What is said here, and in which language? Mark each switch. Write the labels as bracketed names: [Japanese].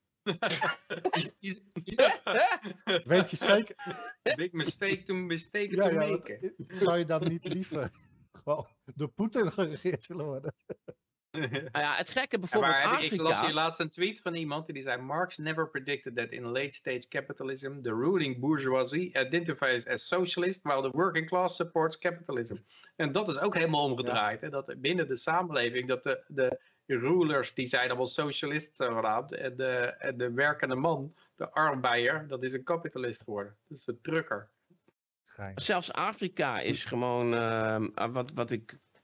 [Dutch] Weet je zeker? [English] Big mistake to make. Ja, [Dutch] zou je dan niet liever gewoon door Poetin geregeerd willen worden? Nou ja, het gekke bijvoorbeeld maar Afrika... Ik las hier laatst een tweet van iemand die zei... [English] Marx never predicted that in late stage capitalism... the ruling bourgeoisie identifies as socialist... while the working class supports capitalism. [Dutch] En dat is ook helemaal omgedraaid. Ja. Hè? Dat binnen de samenleving... dat de rulers die zijn allemaal socialist geraamd... en de werkende man, de arbeider... dat is een kapitalist geworden. Dus een trucker. Geen. Zelfs Afrika is gewoon... wat ik...